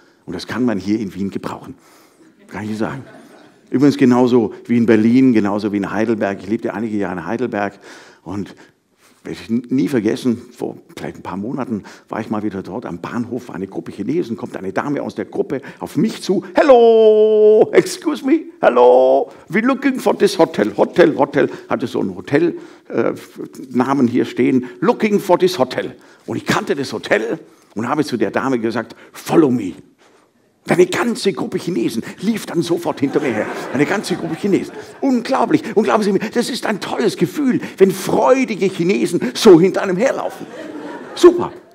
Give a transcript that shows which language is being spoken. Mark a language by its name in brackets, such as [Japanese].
[German] Und das kann man hier in Wien gebrauchen. Kann ich sagen. Übrigens genauso wie in Berlin, genauso wie in Heidelberg. Ich lebte einige Jahre in Heidelberg und werde ich nie vergessen, vor vielleicht ein paar Monaten war ich mal wieder dort am Bahnhof, war eine Gruppe Chinesen, kommt eine Dame aus der Gruppe auf mich zu. [English] Hello, excuse me, hello, we're looking for this hotel. [German] Hotel, Hotel, hatte so einen Hotelnamen hier stehen. Looking for this hotel. Und ich kannte das Hotel und habe zu der Dame gesagt, follow me. Eine ganze Gruppe Chinesen lief dann sofort hinter mir her. Eine ganze Gruppe Chinesen. Unglaublich. Und glauben Sie mir, das ist ein tolles Gefühl, wenn freudige Chinesen so hinter einem herlaufen. Super.